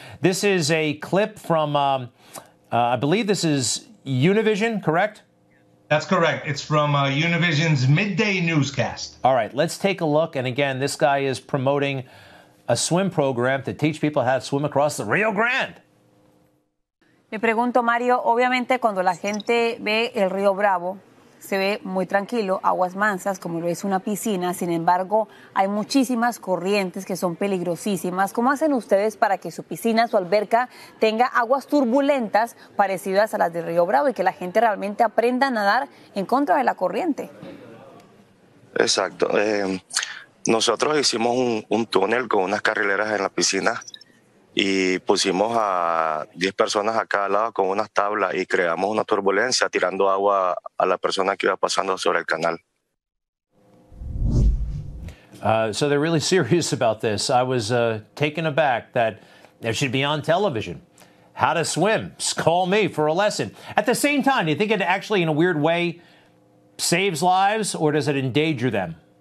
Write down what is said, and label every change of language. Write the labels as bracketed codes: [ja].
[en] This is a clip from, I believe this is Univision, correct? That's correct. It's from Univision's Midday Newscast. All right, let's take a look. And again, this guy is promoting a swim program to teach people how to swim across the Rio Grande. [es] Me pregunto, Mario, obviamente cuando la gente ve el río Bravo, se ve muy tranquilo, aguas mansas, como lo es una piscina. Sin embargo, hay muchísimas corrientes que son peligrosísimas. ¿Cómo hacen ustedes para que su piscina, su alberca, tenga aguas turbulentas parecidas a las del río Bravo y que la gente realmente aprenda a nadar en contra de la corriente? Exacto. Nosotros hicimos un túnel con unas carrileras en la piscina y pusimos a 10 personas acá al lado con unas tablas y creamos una turbulencia tirando agua a la persona que iba pasando sobre el canal. [en] So they're really serious about this. I was taken aback that there should be on television. How to swim. Call me for a lesson. At the same time, do you think it actually, in a weird way, saves lives or does it endanger them?